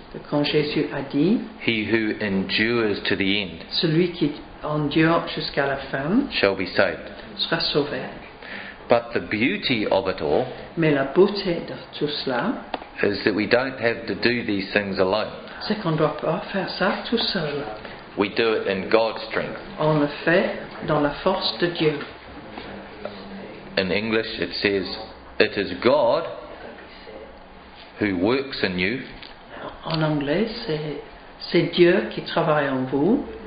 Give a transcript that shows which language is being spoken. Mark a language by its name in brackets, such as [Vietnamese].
[French] quand Jésus a dit, [English] he who endures to the end, [French] celui qui endure jusqu'à la fin, [English] shall be saved, [French] sera sauvé. [English] But the beauty of it all, [French] mais la beauté de tout cela, [English] is that we don't have to do these things alone. [French] C'est qu'on ne doit pas faire ça tout seul. [English] We do it in God's strength. [French] On le fait dans la force de Dieu. [English] In English, it says, "It is God who works in you." [French] En anglais, c'est Dieu qui travaille en vous.